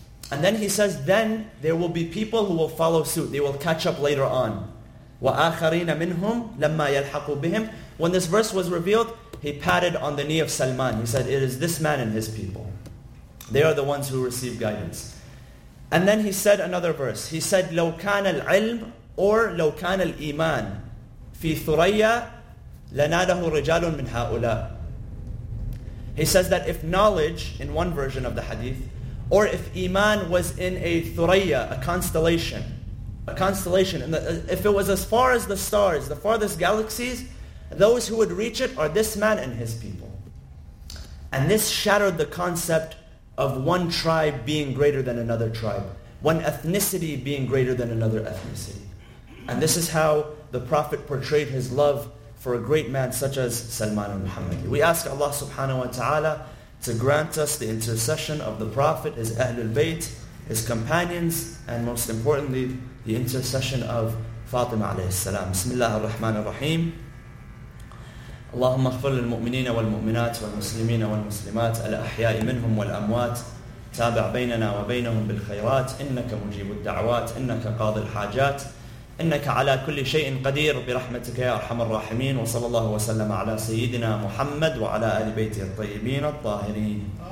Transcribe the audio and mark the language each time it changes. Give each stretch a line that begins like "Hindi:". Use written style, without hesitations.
English: And then he says, then there will be people who will follow suit. They will catch up later on.
Arabic: وَآخَرِينَ مِنْهُمْ لَمَّا يَلْحَقُوا بِهِمْ.
English: When this verse was revealed, he patted on the knee of Salman. He said, it is this man and his people. They are the ones who receive guidance. And then he said another verse. He said,
Arabic: لَوْ كَانَ الْعِلْمُ or لَوْ كَانَ الْإِيمَانِ فِي ثُرَيَّ لَنَادَهُ رِجَالٌ مِنْ هَؤُلَاء.
English: He says that if knowledge, in one version of the hadith, or if Iman was in a thuraya, a constellation, and if it was as far as the stars, the farthest galaxies, those who would reach it are this man and his people. And this shattered the concept of one tribe being greater than another tribe, one ethnicity being greater than another ethnicity. And this is how the Prophet portrayed his love for a great man such as Salman al-Muhammad. We ask Allah subhanahu wa ta'ala to grant us the intercession of the Prophet, his Ahlul Bayt, his companions, and most importantly, the intercession of Fatima alayhi salam.
Arabic: Bismillah ar-Rahman ar-Rahim. اللهم اغفر للمؤمنين والمؤمنات والمسلمين والمسلمات الأحياء منهم والأموات تابع بيننا وبينهم بالخيرات إنك مجيب الدعوات إنك قاضي الحاجات إنك على كل شيء قدير برحمتك يا أرحم الراحمين وصلى الله وسلم على سيدنا محمد وعلى آل بيته الطيبين الطاهرين.